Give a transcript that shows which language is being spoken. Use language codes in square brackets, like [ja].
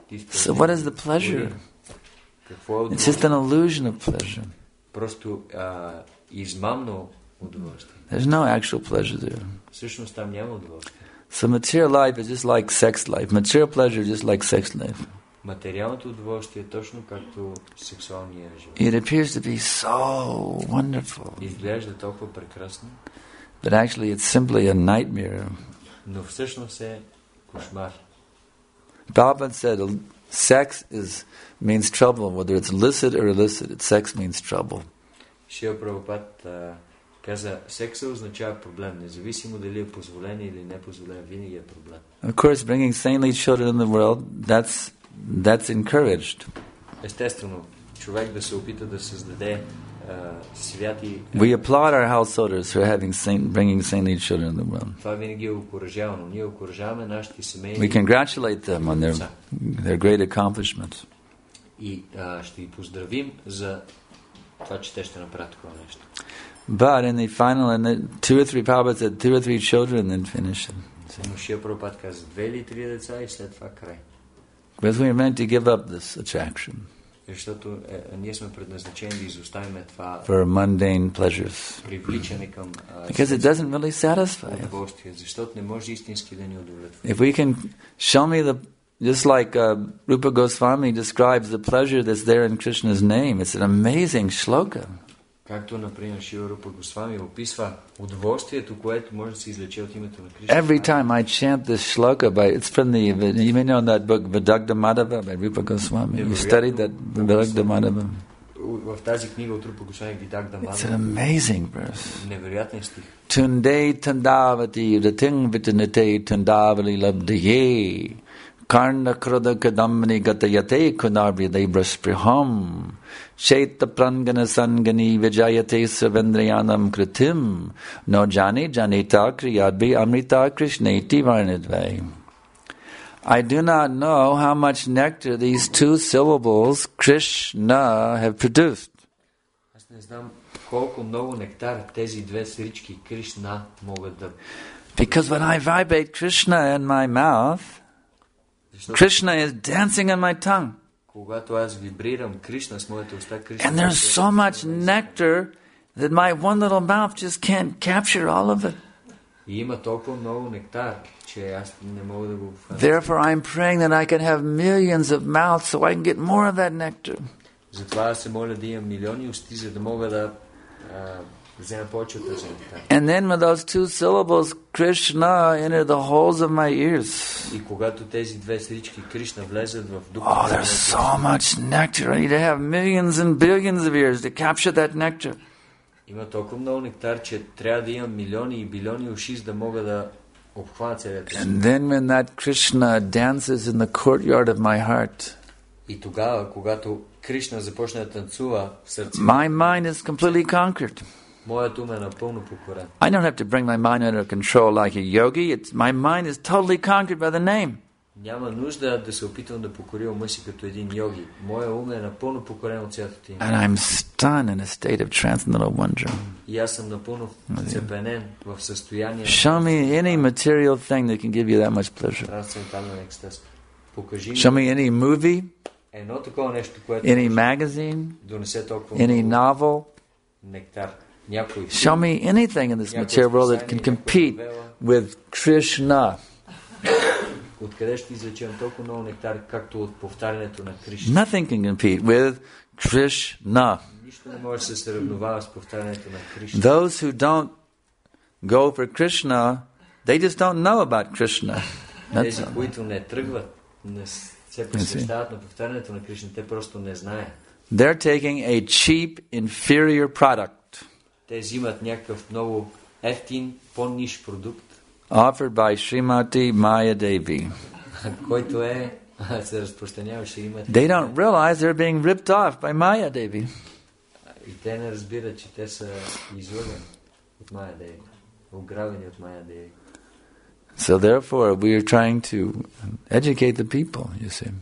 [bg] изпълнение. [en] So what is the pleasure? [bg] Какво е? [en] It's just an illusion of pleasure. [bg] Просто измамно. [en] There's no actual pleasure there. [bg] Всъщност там няма удоволствие. [en] So material life is just like sex life. Material pleasure is just like sex life. [bg] Материалното удоволствие е точно както сексуалния живот. [en] It appears to be so wonderful. [bg] Изглежда толкова прекрасно. [en] But actually it's simply a nightmare. [bg] Но всъщност е кошмар. [en] Prabhupada said sex means trouble, whether it's licit or illicit. Sex means trouble. [bg] Шрила Прабхупада каза, секса означава проблем, независимо дали е позволен или непозволен, винаги е проблем. [en] Of course, bringing saintly children in the world, that's encouraged. [bg] Естествено, човек да се опита да създаде святи. [en] We applaud our householders for bringing saintly children in the world. [bg] Това винаги е окуражавано. Ние окуражаваме нашите семейни. [en] We congratulate them on their great accomplishment. [bg] И ще ги поздравим за това, че те ще направят такова нещо. [en] But in the final, and two or three Prabhupada said, two or three children, then finish it. [bg] Само Шрила Прабхупада каза, две или три деца и след това край. [en] Because we are meant to give up this attraction. [bg] Защото ние сме предназначени да изоставим това. [en] For mundane pleasures. [bg] Привличане към. [en] Because it doesn't really satisfy us. [bg] Защото не може истински да ни удовлетвори. [en] If we can show me the. Just like Rupa Goswami describes the pleasure that's there in Krishna's name, it's an amazing shloka. [bg] Както, например, Шрила Рупа Госвами описва удоволствието, което може да се излече от името на Кришна. [en] Every time I chant this shloka, it's from the, you may know that book, Vidagdha Madhava by Rupa Goswami. You studied that Vidagdha Madhava. [bg] В тази книга от Рупа Госвами, Vidagdha Madhava. [en] It's an amazing verse. [bg] Невероятен стих. [sa] Tunde tandavati yudating vitanate tandavali labdhiye. Karna krodha kadamni gatayate kunarvidai braspriham. Chaita prangana sangani vijayate savendriyanam kritim. No jani janita kriyadvi amrita krishneti varnidvai. [en] I do not know how much nectar these two syllables Krishna have produced. [bg] Аз не знам колко много нектар тези две срички Кришна могат да. [en] Because when I vibrate Krishna in my mouth, Krishna is dancing in my tongue. [bg] Когато аз вибрирам Кришна с моите уста, Кришна. [en] And there's so much nectar that my one little mouth just can't capture all of it. [bg] И има толкова много нектар, че аз не мога да го обхвана. [en] Therefore I'm praying that I can have millions of mouths so I can get more of that nectar. [bg] Затова се моля да имам милиони усти, за да мога да взема повече от тази нектар. [en] And then with those two syllables Krishna entered the holes of my ears. [bg] И когато тези две срички Кришна влезат в духа. [en] Oh, there's so much nectar. I need to have millions and billions of ears to capture that nectar. [bg] Има толкова много нектар, че трябва да имам милиони и билиони уши, за да мога да обхвана целия свят. [en] And then when that Krishna dances in the courtyard of my heart. [bg] И тогава, когато Кришна започне да танцува в сърцето. [en] My mind is completely conquered. [bg] Моят ум е напълно покорен. [en] I don't have to bring my mind under control like a yogi. My mind is totally conquered by the name. [bg] Няма нужда да се опитвам да покоря ума си като един йоги. Моят ум е напълно покорен от цялото ти име. [en] And I'm stunned in a state of transcendental wonder. [bg] И аз съм напълно вцепенен в състояние. [en] Show me any material thing that can give you that much pleasure. [bg] Трансцендентален екстаз. Покажи ми. [en] Show me any movie. [bg] Едно такова нещо, което. [en] Any magazine. [bg] Донесе толкова. [en] Any novel. [bg] Нектар. [en] Show me anything in this material world that can compete with Krishna. [bg] Откъде ще извлечем толкова много нектар, както от повтарянето на Кришна? [en] Nothing can compete with Krishna. [bg] Нищо не може да се сравнява с повтарянето на Кришна. [en] Those who don't go for Krishna, they just don't know about Krishna. [bg] Тези, които не тръгват, не се посещават на повтарянето на Кришна, те просто не знаят. [en] They're taking a cheap, inferior product. [bg] Те взимат някакъв много ефтин, по-ниш продукт. [en] Offered by Shrimati Maya Devi. [bg] Който е, се разпространява Shrimati. [en] They don't realize they're being ripped off by Maya Devi. [bg] И те не разбират, че те са излъгани от Maya Devi. Ограбени от Maya Devi. [en] So therefore, we are trying to educate the people, you see.